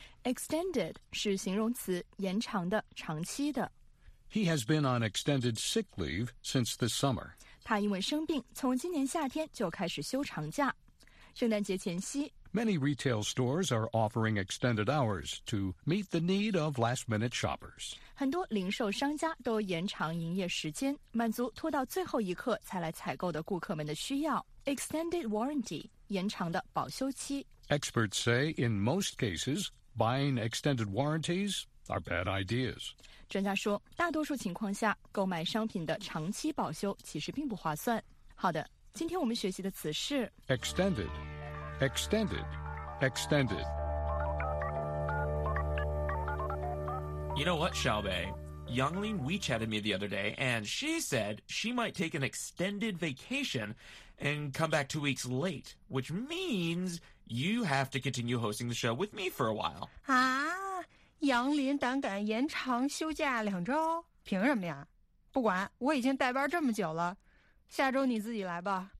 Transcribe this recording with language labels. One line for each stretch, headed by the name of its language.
Chinese: Extended 是形容词，延长的，长期的。
English: He has been on extended sick leave since this summer.
Chinese: 他因为生病，从今年夏天就开始休长假。圣诞节前夕，
English: Many retail stores are offering extended hours to meet the need of last-minute shoppers.
Chinese: 很多零售商家都延长营业时间，满足拖到最后一刻才来采购的顾客们的需要。 Extended warranty, 延长的保修期。
English: Experts say in most cases, buying extended warranties are bad ideas.
Chinese: 专家说，大多数情况下，购买商品的长期保修其实并不划算。好的，今天我们学习的词是
English: extended. Extended, extended. You know what, Xiaobei? Yanglin WeChatted me the other day, and she said she might take an extended vacation and come back 2 weeks late, which means you have to continue hosting the show with me for a while.
Chinese: Ah, Yanglin 胆敢延长休假两周？凭什么呀？不管，我已经带班这么久了，下周你自己来吧。